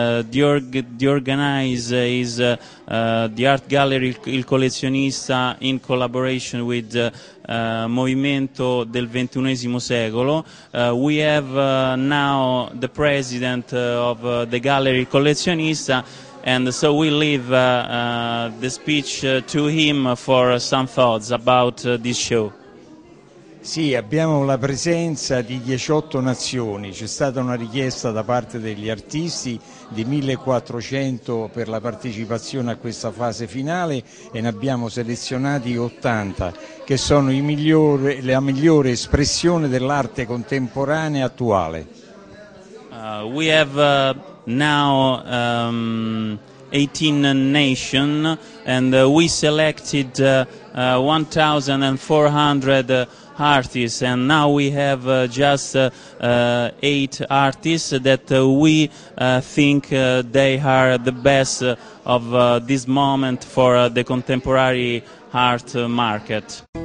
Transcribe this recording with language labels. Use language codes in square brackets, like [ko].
[en] The organizer is the art gallery Il Collezionista in collaboration with Movimento del XXI secolo. We have now the president of the gallery Il Collezionista, and so we leave the speech to him for some thoughts about this show. [it] Sì, abbiamo la presenza di 18 nazioni, c'è stata una richiesta da parte degli artisti di 1400 per la partecipazione a questa fase finale e ne abbiamo selezionati 80, che sono la migliore espressione dell'arte contemporanea attuale. [en] We have now 18 nations and we selected 1400 artists, and now we have just 8 artists that we think they are the best of this moment for the contemporary art market.